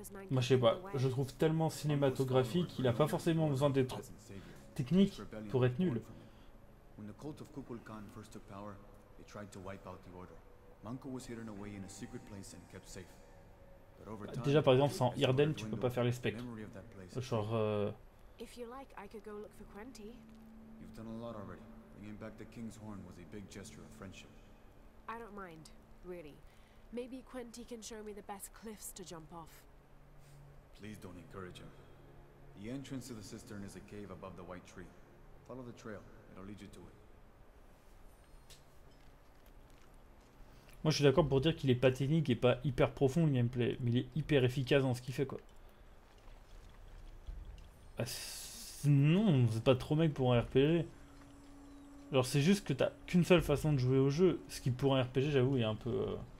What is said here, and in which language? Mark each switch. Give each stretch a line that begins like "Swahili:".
French: Moi, je sais pas, je trouve tellement cinématographique qu'il a pas forcément besoin d'être technique pour être nul.
English: When the cult of Kukulkan first took power, they tried to wipe out the order. Manco was hidden away in a secret place and kept safe.
French: Déjà, par exemple, sans Irden, tu peux pas faire les specs.
English: If you like, I could go look for Quenty. You've done a lot already. Bringing back the King's Horn was a big gesture of friendship. I don't mind, really. Maybe Quenty can show me the best cliffs to jump off. Please don't encourage him. The entrance to the cistern is a cave above the white tree. Follow the trail, it'll lead you to it.
French: Moi je suis d'accord pour dire qu'il est pas technique et pas hyper profond le gameplay, mais il est hyper efficace dans ce qu'il fait quoi. Ah, non, c'est pas trop mec pour un RPG. Genre c'est juste que t'as qu'une seule façon de jouer au jeu, ce qui pour un RPG j'avoue est un peu...